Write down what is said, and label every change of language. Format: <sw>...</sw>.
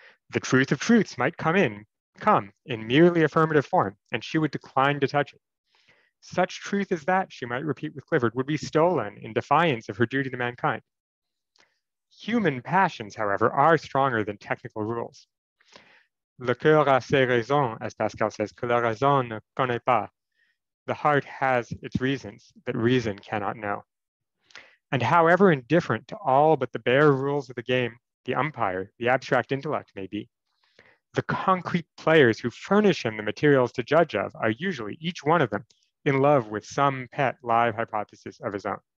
<en>The truth of truths might come in merely affirmative form, and she would decline to touch it. Such truth as that, she might repeat with Clifford, would be stolen in defiance of her duty to mankind. Human passions, however, are stronger than technical rules.</en> <fr>Le cœur a ses raisons,</fr> <en>as Pascal says,</en> <fr>que la raison ne connaît pas.</fr> <en>The heart has its reasons that reason cannot know. And however indifferent to all but the bare rules of the game, the umpire, the abstract intellect may be, the concrete players who furnish him the materials to judge of are usually, each one of them, in love with some pet live hypothesis of his own.</en>